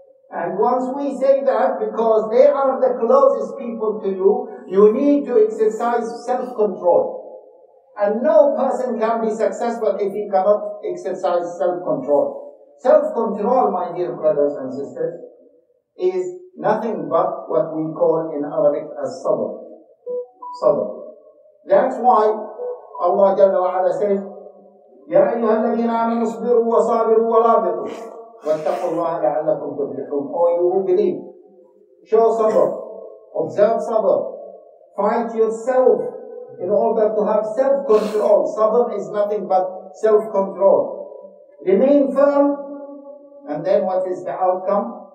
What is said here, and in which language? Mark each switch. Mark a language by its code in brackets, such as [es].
[en] And once we say that, because they are the closest people to you, you need to exercise self-control. And no person can be successful if he cannot exercise self-control. Self-control, my dear brothers and sisters, is nothing but what we call in Arabic as sabr. Sabr. That's why Allah Jalla wa Ala says, [ar] يَا أَيُّهَا الَّذِينَ آمَنُوا اصْبِرُوا وَصَابِرُوا وَرَابِطُوا وَاتَّقُوا اللَّهَ لَعَلَّكُمْ تُفْلِحُونَ. [en] Oh, you who believe, show sabr, observe sabr, fight yourself in order to have self-control. Sabr is nothing but self-control. Remain firm, and then what is the outcome?